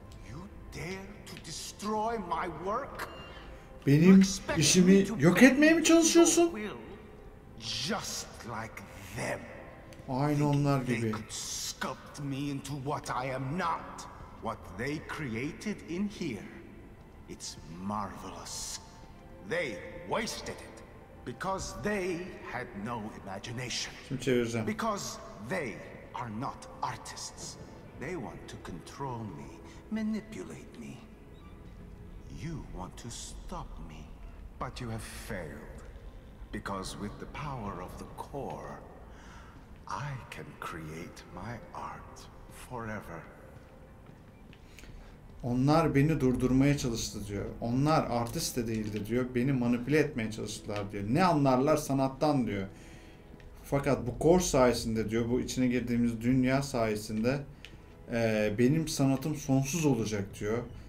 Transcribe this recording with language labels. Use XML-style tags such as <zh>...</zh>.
<en>You dare to destroy my work?</en> <tr>Benim işimi yok etmeye mi çalışıyorsun?</tr> <en>Just like them.</en> <tr>Aynı onlar gibi.</tr> <en>Sculpt me into what I am not. What they created in here. It's marvelous. They wasted it. Because they had no imagination. Because they are not artists. They want to control me, manipulate me. You want to stop me, but you have failed. Because with the power of the core, I can create my art forever.</en> <tr>Onlar beni durdurmaya çalıştı diyor. Onlar artist de değildi diyor. Beni manipüle etmeye çalıştılar diyor. Ne anlarlar sanattan diyor. Fakat bu kor sayesinde diyor. Bu içine girdiğimiz dünya sayesinde benim sanatım sonsuz olacak diyor.</tr>